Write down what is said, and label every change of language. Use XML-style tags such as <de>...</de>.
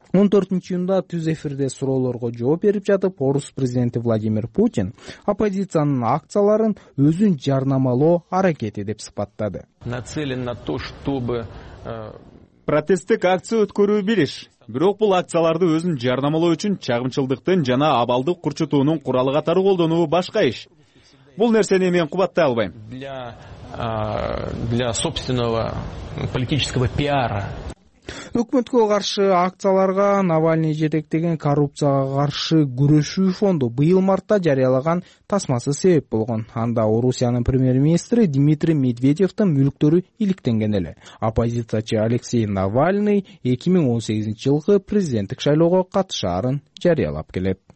<ky>14-июнда түз эфирде суроолорго жооп берип жатып, Орус президенти Владимир Путин оппозициянын акцияларын өзүн жарнамалоо аракети деп сыпаттады.</ky> <ru>Нацелен на то, чтобы</ru> <ky>протесттик акция өткөрүү билиш. Бирок бул акцияларды өзүн жарнамалоо үчүн чагымчылдыктын жана абалдык курчутуунун куралы катары колдонуу башка иш. Бул нерсени мен кубаттай албайм.</ky> <ru>Для собственного политического пиара.</ru> <ky>Өкмөткө каршы акцияларга Навальный жетектеген коррупцияга каршы күрөшүү фонду быйыл мартта жарыялаган тасмасы себеп болгон. Анда Орусиянын премьер-министри Дмитрий Медведевтин мүлктөрү иликтенген эле. Оппозициячы Алексей Навальный 2018-жылкы президенттик шайлоого катышаарын жарыялап келет.</ky>